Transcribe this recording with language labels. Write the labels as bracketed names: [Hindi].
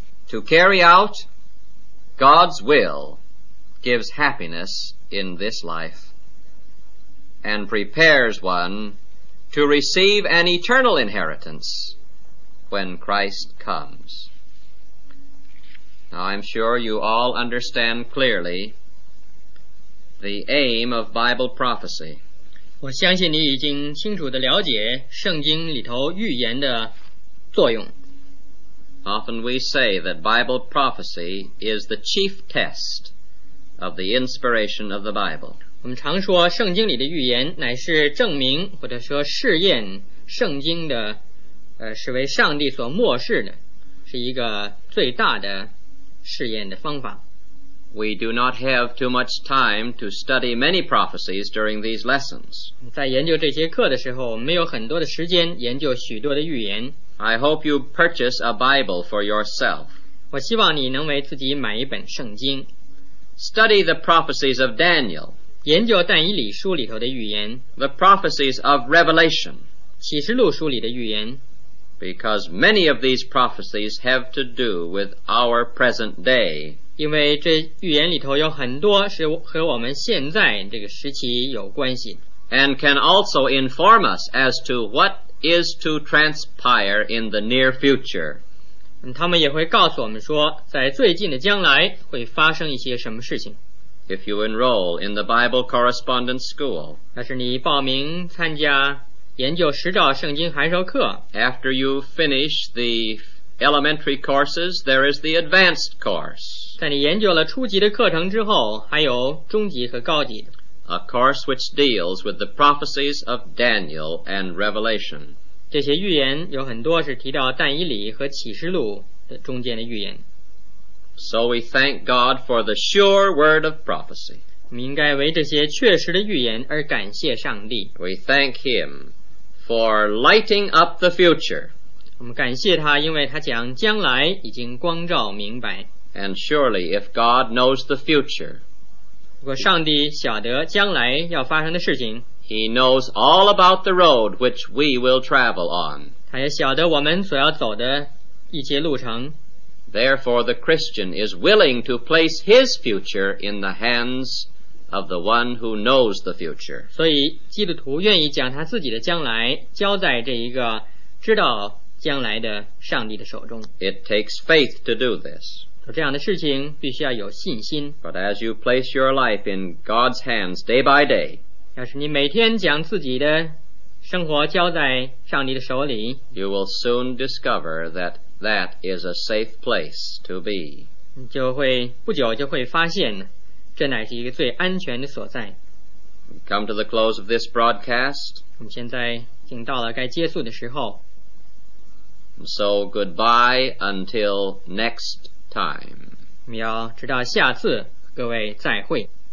[English] To carry out God's will gives happiness in this life and prepares one to receive an eternal inheritance when Christ comes. Now, I'm sure you all understand clearly the aim of Bible prophecy. [Chinese] 我相信你已经清楚地了解圣经里头预言的作用。 [English] Often we say that Bible prophecy is the chief test of the inspiration of the Bible. [Chinese] 我们常说圣经里的预言乃是证明或者说试验圣经的是为上帝所默示的，是一个最大的试验的方法。 [English] We do not have too much time to study many prophecies during these lessons. [Chinese] 在研究这些课的时候，我们没有很多的时间研究许多的预言。 [English] I hope you purchase a Bible for yourself. [Chinese] 我希望你能为自己买一本圣经。 [English] Study the prophecies of Daniel. [Chinese] 研究但以理书里头的预言。 [English] The prophecies of Revelation. [Chinese] 启示录书里的预言。 [English] Because many of these prophecies have to do with our present day. [Chinese] 因为这预言里头有很多是和我们现在这个时期有关系。 [English] And can also inform us as to what is to transpire in the near future. [Chinese] 他们也会告诉我们说在最近的将来会发生一些什么事情。 [English] If you enroll in the Bible Correspondence School. [Chinese] 要是你报名参加研究十兆圣经函授课。 [English] After you finish the elementary courses, there is the advanced course. [Chinese] 在你研究了初级的课程之后，还有中级和高级的。 [English] A course which deals with the prophecies of Daniel and Revelation. [Chinese] 这些预言有很多是提到但以理和启示录的中间的预言。 [English] So we thank God for the sure word of prophecy. [Chinese] 我们应该为这些确实的预言而感谢上帝。 [English] We thank Him. For lighting up the future. [Chinese] 我们感谢他，因为他讲将来已经光照明白。 [English] And surely, if God knows the future, [Chinese] 如果上帝晓得将来要发生的事情， [English] He knows all about the road which we will travel on. [Chinese] 他也晓得我们所要走的一些路程。 [English] Therefore, the Christian is willing to place his future in the hands of God. Of the one who knows the future. [Chinese] 所以基督徒愿意将他自己的将来交在这一个知道将来的上帝的手中。 [English] It takes faith to do this. [Chinese] 做这样的事情必须要有信心。 [English] But as you place your life in God's hands day by day, [Chinese] 要是你每天将自己的生活交在上帝的手里， [English] you will soon discover that that is a safe place to be. [Chinese] 不久就会发现这乃是一个最安全的所在。 [English] We come to the close of this broadcast. [Chinese] 我们现在已经到了该结束的时候。 [English] So goodbye until next time. [Chinese] 我们要直到下次，各位再会。